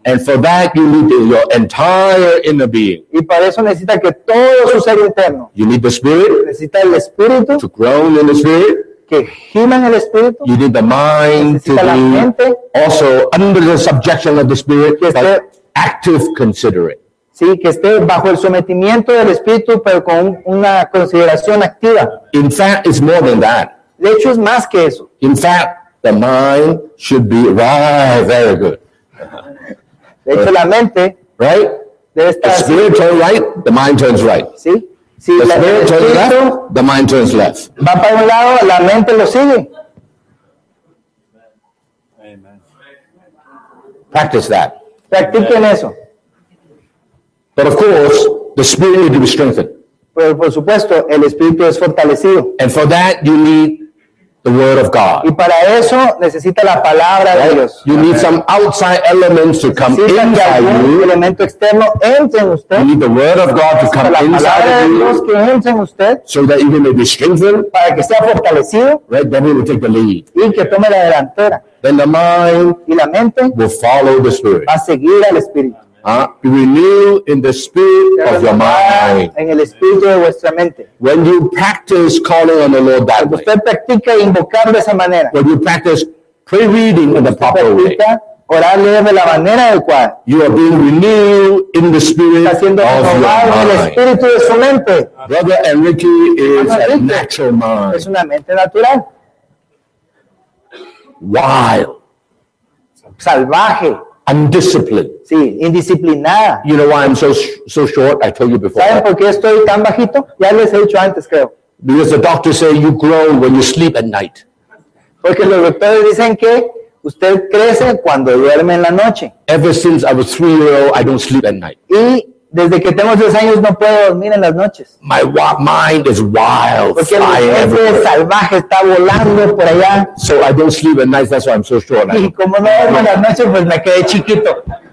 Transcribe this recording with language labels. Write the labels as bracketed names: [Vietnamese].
[English] And for that you need your entire inner being. [Spanish] Y para eso necesita que todo su ser interno. [English] You need the spirit. [Spanish] Necesita el espíritu. [English] To groan in the spirit. [Spanish] Que gima en el espíritu. [English] You need the mind to [Spanish] la [English] be [Spanish] mente. [English] Also under the subjection of the spirit, but active considerate. [Spanish] Sí, que esté bajo el sometimiento del espíritu, pero con una consideración activa. [English] In fact, it's more than that. [Spanish] De hecho, es más que eso. [English] In fact, the mind should be right, very good. [Spanish] De hecho, la mente, [English] right? [Spanish] Debe estar [English] the spirit turns right, the mind turns right. [Spanish] Sí. Si [English] the spirit turns left, the mind turns left. [Spanish] Va para un lado, la mente lo sigue. [English] Amen. Practice that. [Spanish] Practiquen eso. [English] But of course, the spirit needs to be strengthened. [Spanish] Pero por supuesto, el espíritu es fortalecido. [English] And for that, you need the word of God. [Spanish] Y para eso necesita la palabra de Dios. [English] You need some outside elements to come inside you. [Spanish] Un elemento externo entre en usted. [English] You need the word of God to come inside of you. [Spanish] Que entre en usted. [English] So that you may be strengthened. [Spanish] Para que sea fortalecido. [English] Right, then he will take the lead. [Spanish] Y que tome la delantera. [English] Then the mind [Spanish] y la mente [English] will follow the spirit. [Spanish] Va a seguir al espíritu. [English] Renew in the spirit of your mind. [Spanish] En el espíritu de vuestra mente. [English] When you practice calling on the Lord that way. [Spanish] Usted practica invocar de esa manera. [English] When you practice pre-reading in the proper [Spanish] practica [English] way. [Spanish] Orarle de la manera adecuada. [English] You are being renewed in the spirit [Spanish] está siendo [English] of your mind. [Spanish] El espíritu de su mente. [English] Brother Enrique is a natural mind. [Spanish] Es una mente natural. [English] Wild. [Spanish] Salvaje. [English] Undisciplined. [Spanish] Sí, indisciplinada. [English] You know why I'm so short? I told you before. [Spanish] ¿Saben por qué estoy tan bajito? Ya les he dicho antes, creo. [English] Because the doctors say you grow when you sleep at night. [Spanish] Porque los doctores dicen que usted crece cuando duerme en la noche. [English] Ever since I was 3 years old, I don't sleep at night. [Spanish] Y desde que tengo 3 años no puedo dormir en las noches. [English] My mind is wild. [Spanish] Porque mi mente salvaje está volando por allá. [English] So I don't sleep at night. That's why I'm so short. [Spanish] Y como no duermo en las noches, pues me quedé chiquito.